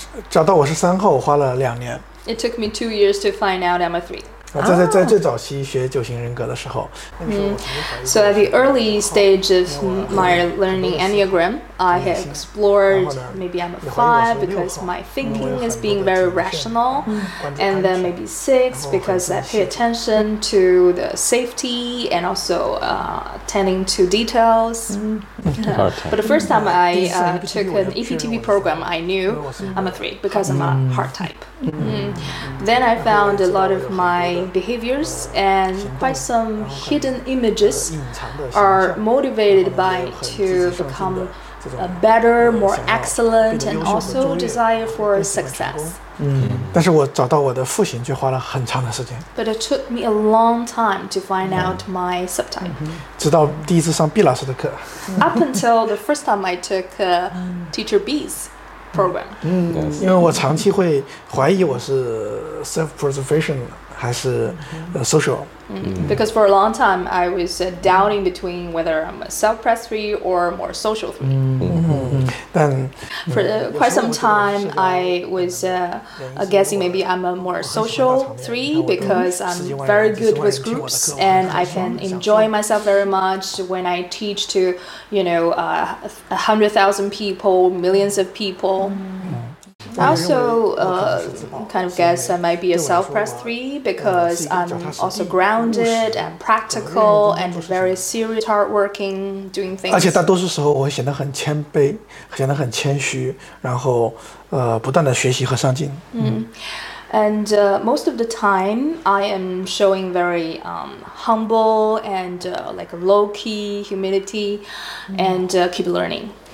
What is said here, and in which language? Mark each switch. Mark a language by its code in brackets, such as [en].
[zh] 找到我是三号，我花了两年。 [en] It took me 2 years to find out I'm a 3. [zh] 在最早期学九型人格的时候。 [en] So at the early stage of my learning Enneagram, I had explored maybe I'm a 5 because my thinking is being very rational, and then maybe 6 because I pay attention to the safety and also attending to details. But the first time I took an EPTP program, I knew I'm a 3 because I'm a heart type. Then I found a lot of my behaviors and quite some hidden images are motivated by to become a better, more excellent, and also desire for success. [zh] 但是我找到我的父亲就花了很长的时间。 [en] But it took me a long time to find out my subtype. [zh] 直到第一次上毕老师的课。 [en] Up until the first time I took Teacher B's program. [zh] 因为我长期会怀疑我是 self-preservation 还是 social. [en] Because for a long time I was doubting between whether I'm a self-press 3 or more social 3. For quite some time, I was guessing maybe I'm a more social 3 because I'm very good with groups and I can enjoy myself very much when I teach to, you know, 100,000 people, millions of people. I also kind of guess I might be a self-press 3 because I'm also grounded and practical and very serious, hardworking, doing things. [zh] 而且大多数时候我显得很谦卑，显得很谦虚，然后不断的学习和上进。 [en] And most of the time, I am showing very humble and like low-key humility and keep learning.